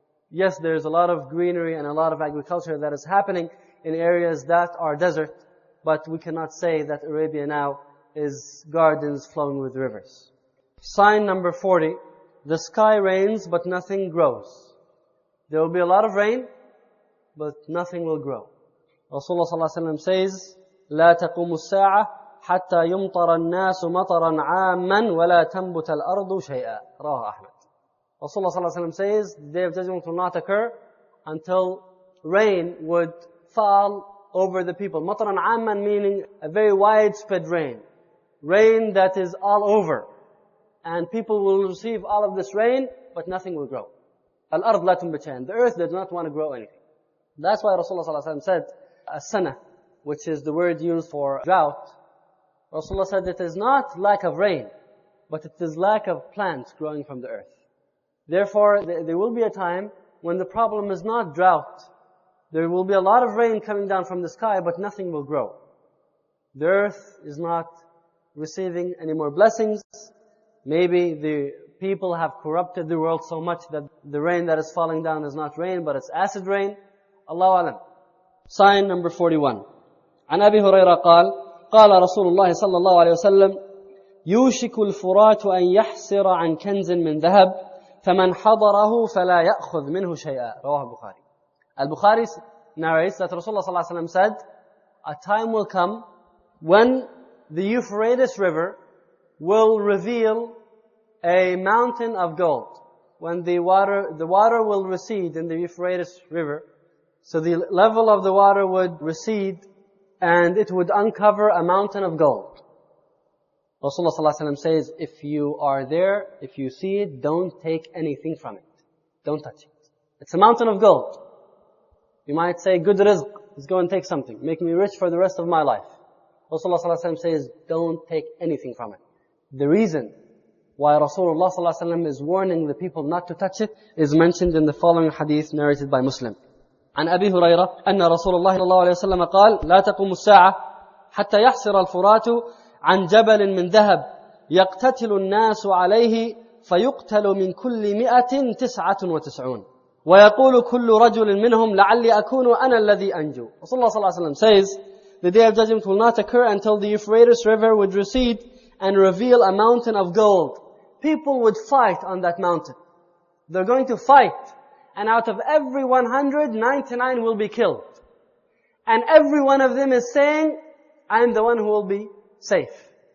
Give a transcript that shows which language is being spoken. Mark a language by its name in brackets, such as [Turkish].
[English] Yes, there's a lot of greenery and a lot of agriculture that is happening in areas that are desert, but we cannot say that Arabia now is gardens flowing with rivers. Sign number 40, the sky rains but nothing grows. There will be a lot of rain, but nothing will grow. Rasulullah sallallahu alaihi wasallam says, [Arabic] لا تقوم الساعة حتى يمطر الناس مطرا عاما ولا تنبت الأرض شيئا. رواه أحمد. [English] Rasulullah ﷺ says, the day of judgment will not occur until rain would fall over the people. Mataran amman meaning a very widespread rain. Rain that is all over. And people will receive all of this rain, but nothing will grow. Al-ard la tumbachan. The earth does not want to grow anything. That's why Rasulullah ﷺ said, as-sana, which is the word used for drought. Rasulullah said, it is not lack of rain, but it is lack of plants growing from the earth. Therefore, there will be a time when the problem is not drought. There will be a lot of rain coming down from the sky, but nothing will grow. The earth is not receiving any more blessings. Maybe the people have corrupted the world so much that the rain that is falling down is not rain, but it's acid rain. Allahu alam. Sign number 41. [Arabic] عن أبي هريرة قال قال رسول الله صلى الله عليه وسلم يوشك الفرات أن يحسر عن كنز من ذهب فمن حضره فلا يأخذ منه شيئا. رواه البخاري. [English] Al-Bukhari narrates that Rasulullah ﷺ said, a time will come when the Euphrates River will reveal a mountain of gold. When the water will recede in the Euphrates River, so the level of the water would recede and it would uncover a mountain of gold. Rasulullah ﷺ says, if you are there, if you see it, don't take anything from it. Don't touch it. It's a mountain of gold. You might say, good rizq, let's go and take something. Make me rich for the rest of my life. Rasulullah ﷺ says, don't take anything from it. The reason why Rasulullah ﷺ is warning the people not to touch it is mentioned in the following hadith narrated by Muslim. [Arabic] عن أبي هريرة أن رسول الله صلى الله عليه وسلم قال لا تقوم الساعة حتى يحسر الفرات عن جبل من ذهب يقتتل الناس عليه فيقتل من كل 199 ويقول كل رجل منهم لعلي أكون أنا الذي أنجو. رسول الله صلى الله عليه وسلم [English] says the day of judgment will not occur until the Euphrates River would recede and reveal a mountain of gold. People would fight on that mountain. They're going to fight. And out of every 100, 99 will be killed. And every one of them is saying, I am the one who will be safe.